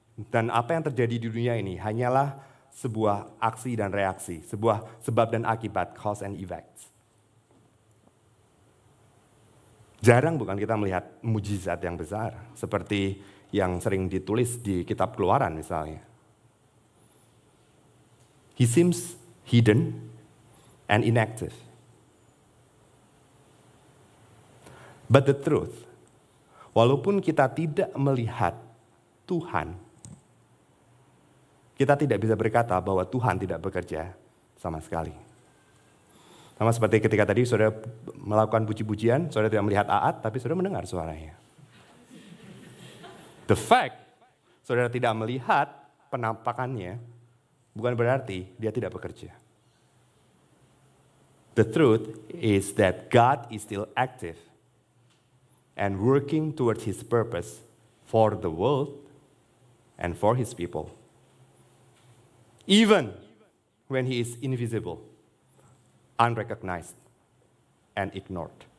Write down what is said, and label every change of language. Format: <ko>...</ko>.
<id>Dan apa yang terjadi di dunia ini hanyalah sebuah aksi dan reaksi, sebuah sebab dan akibat,</id> <en>cause and effect.</en> <id>Jarang bukan kita melihat mujizat yang besar seperti yang sering ditulis di kitab Keluaran misalnya.</id> <en>He seems hidden and inactive. But the truth,</en> <id>walaupun kita tidak melihat Tuhan, kita tidak bisa berkata bahwa Tuhan tidak bekerja sama sekali. Sama seperti ketika tadi saudara melakukan puji-pujian, saudara tidak melihat Aat, tapi saudara mendengar suaranya.</id> <en>The fact,</en> <id>saudara tidak melihat penampakannya, bukan berarti dia tidak bekerja.</id> <en>The truth is that God is still active and working towards his purpose for the world and for his people. Even when he is invisible, unrecognized, and ignored.</en>